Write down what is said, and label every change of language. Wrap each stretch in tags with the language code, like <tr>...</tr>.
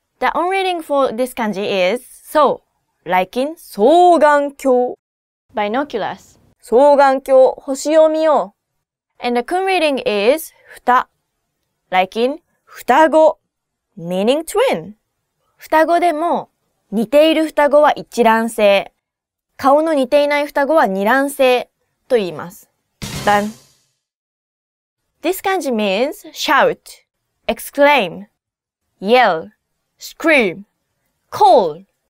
<en>The on reading for this kanji is so, like in 双眼鏡, binoculars.</en> <ja>双眼鏡星を見よう.</ja> <en>And the kun reading is 双, like in 双子, meaning twin.</en> <ja>双子でも似ている双子は一卵性, 顔の似ていない双子は二卵性と言います.</ja> <en>Done. This kanji means shout, exclaim, yell, scream, call.</en>